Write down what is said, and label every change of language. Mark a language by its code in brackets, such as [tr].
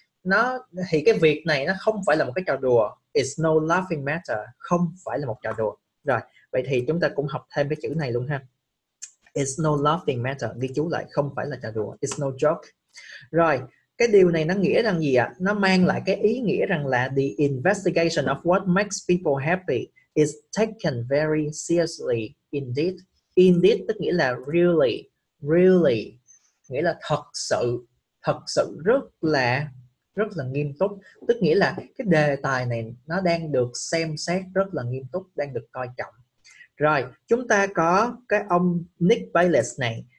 [vi] Nó thì cái việc này nó không phải là một cái trò đùa. [en] It's no laughing matter. [vi] Không phải là một trò đùa. Rồi, vậy thì chúng ta cũng học thêm cái chữ này luôn ha. [en] It's no laughing matter. [vi] Ghi chú lại, không phải là trò đùa. [en] It's no joke. [vi] Rồi, cái điều này nó nghĩa rằng gì ạ? Nó mang lại cái ý nghĩa rằng là [en] the investigation of what makes people happy is taken very seriously indeed. [vi] Indeed tức nghĩa là really, really, nghĩa là thật sự rất là nghiêm túc. Tức nghĩa là cái đề tài này nó đang được xem xét rất là nghiêm túc, đang được coi trọng. Rồi, chúng ta có cái ông Nick Bayless này.